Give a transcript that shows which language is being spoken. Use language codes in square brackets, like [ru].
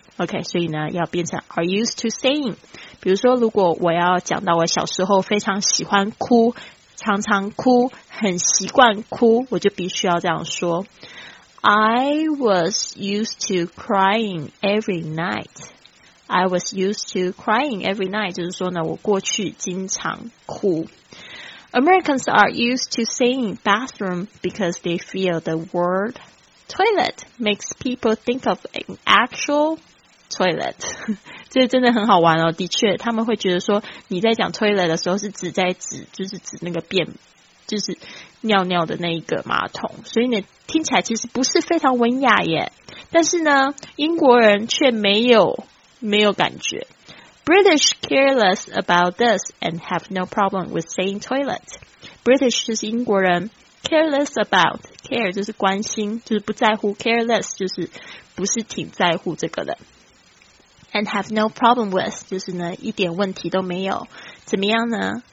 [zh] OK， 所以呢要变成 are used to saying。比如说如果我要讲到我小时候非常喜欢哭，常常哭，很习惯哭，我就必须要这样说， [en] I was used to crying every nightI was used to crying every night. [zh] 就是说呢，我过去经常哭。 [en] Americans are used to saying bathroom because they feel the word toilet makes people think of an actual toilet. [zh] 这真的很好玩哦。的确，他们会觉得说，你在讲 toilet 的时候是指在指，就是指那个便，就是尿尿的那一个马桶。所以呢，听起来其实不是非常文雅耶。但是呢，英国人却没有感觉。 [en] British careless about this and have no problem with saying toilet. [zh] British 就是英国人， careless about, care 就是关心，就是不在乎， careless 就是不是挺在乎这个的。 [en] And have no problem with, [zh] 就是呢一点问题都没有。怎么样呢？